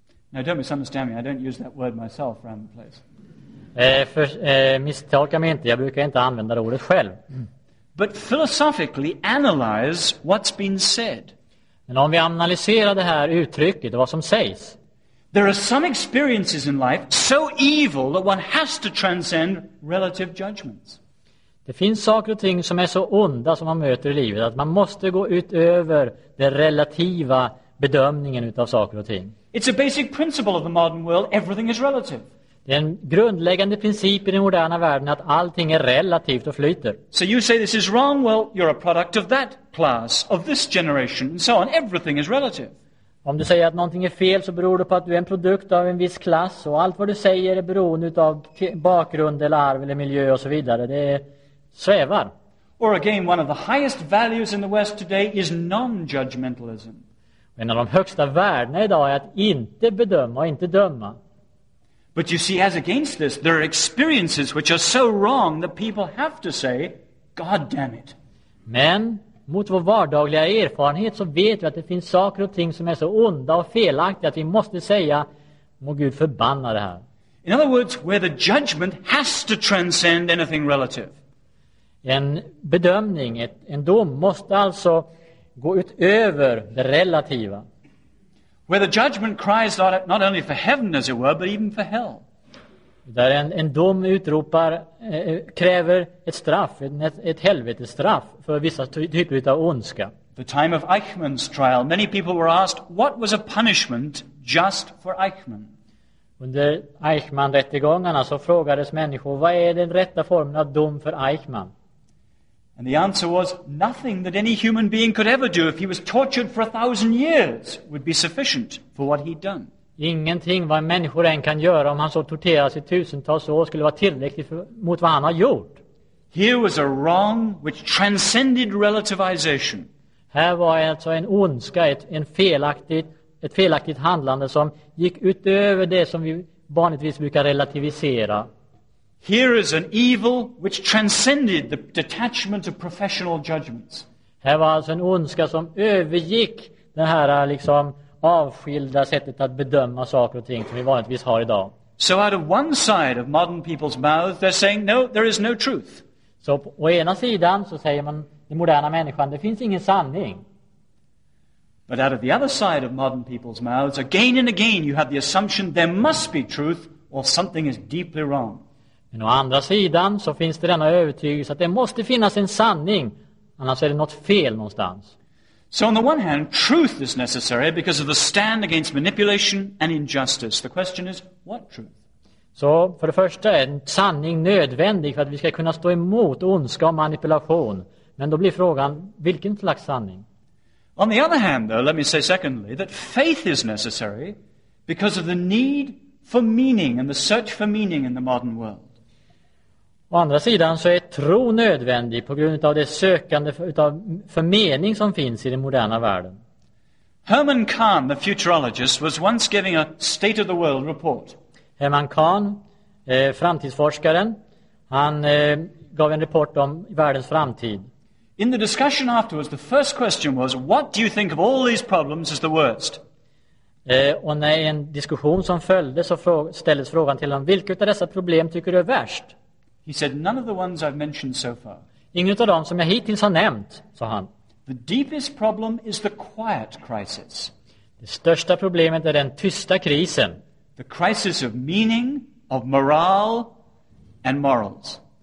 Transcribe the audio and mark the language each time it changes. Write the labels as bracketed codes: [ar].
[en] Now don't misunderstand me, I don't use that word myself around the place. [sv] Misstolka mig inte, jag brukar inte använda det ordet själv. [en] But philosophically analyze what's been said. [sv] Men om vi analyserar det här uttrycket och vad som sägs. [en] There are some experiences in life so evil that one has to transcend relative judgments. [sv] Det finns saker och ting som är så onda som man möter i livet att man måste gå utöver den relativa bedömningen utav saker och ting. [en] It's a basic principle of the modern world, everything is relative. [sv] Det är en grundläggande princip i den moderna världen att allting är relativt och flyter. [en] So you say this is wrong, well you're a product of that class, of this generation and so on, everything is relative. [sv] Om du säger att någonting är fel, så beror det på att du är en produkt av en viss klass, och allt vad du säger är beroende av bakgrund eller arv eller miljö och så vidare. Det svävar. [en] Or again, one of the highest values in the West today is non-judgmentalism. [sv] En av de högsta värdena idag är att inte bedöma och inte döma. [en] But you see, as against this, there are experiences which are so wrong that people have to say, God damn it. [sv] Men mot vår vardagliga erfarenhet så vet vi att det finns saker och ting som är så onda och felaktiga att vi måste säga, må Gud förbanna det här. [en] In other words, where the judgment has to transcend anything relative. [sv] En bedömning, en dom, måste alltså gå utöver det relativa. [en] Where the judgment cries out not only for heaven as it were, but even for hell. [sv] Där en dom utropar, kräver ett straff, ett helvetes straff för vissa typer av ondska. [en] The time of Eichmann's trial, many people were asked, what was a punishment just for Eichmann? [sv] Under Eichmann-rättegångarna så frågades människor, vad är den rätta formen av dom för Eichmann? [en] And the answer was, nothing that any human being could ever do if he was tortured for 1,000 years would be sufficient for what he'd done. [sv] Ingenting vad en människa än kan göra om han så torteras i tusentals år skulle vara tillräckligt mot vad han har gjort. [en] Here was a wrong which transcended relativization. [sv] Här var alltså en ondska, ett felaktigt handlande som gick utöver det som vi vanligtvis brukar relativisera. [en] Here is an evil which transcended the detachment of professional judgments. [sv] Här var alltså en ondska som övergick den här liksom avskilda sättet att bedöma saker och ting som vi vanligtvis har idag. [en] So out of one side of modern people's mouth, they're saying, no, there is no truth. [sv] Så på ena sidan så säger man, den moderna människan, det finns ingen sanning. [en] But out of the other side of modern people's mouths, again and again, you have the assumption there must be truth or something is deeply wrong. [sv] Men å andra sidan så finns det denna övertygelse att det måste finnas en sanning, annars är det något fel någonstans. [en] So on the one hand, truth is necessary because of the stand against manipulation and injustice. The question is, what truth? [sv] Så för det första är en sanning nödvändig för att vi ska kunna stå emot ondska och manipulation. Men då blir frågan, vilken slags sanning? [en] On the other hand, though, let me say secondly, that faith is necessary because of the need for meaning and the search for meaning in the modern world. [sv] Å andra sidan så är tro nödvändig på grund av det sökande för mening som finns i den moderna världen. [en] Herman Kahn, the futurologist, was once giving a state of the world report. [sv] Herman Kahn, framtidsforskaren, han gav en rapport om världens framtid. [en] In the discussion afterwards, the first question was, what do you think of all these problems as the worst? [sv] Och när en diskussion som följde så ställdes frågan till honom, vilket av dessa problem tycker du är värst? [en] He said, none of the ones I've mentioned so far. [sv] Ingen av dem som jag hittills har nämnt, sa han. [en] The deepest problem is the quiet crisis. [sv] Det största problemet är den tysta krisen. [en] The crisis of meaning, of morale and morals.